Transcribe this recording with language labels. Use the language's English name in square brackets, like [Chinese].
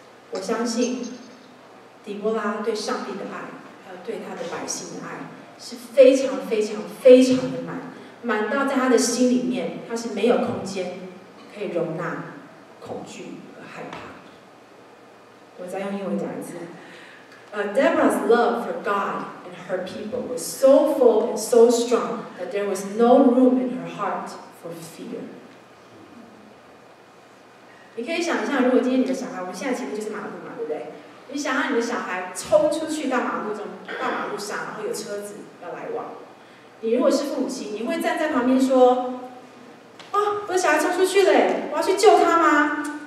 [Chinese] 我相信狄波拉对上帝的爱，还有对他的百姓的爱，是非常非常非常的满，满到在他的心里面，他是没有空间可以容纳恐惧和害怕。我再用英文讲一次。 [English] Deborah's love for God and her people was so full and so strong that there was no room in her heart for fear. [Chinese] 你可以想象，如果今天你的小孩，我们现在前面就是马路嘛，对不对？你想让你的小孩冲出去到马路中，到马路上，然后有车子要来往。你如果是父母亲，你会站在旁边说：“哦，我的小孩冲出去了，我要去救他吗？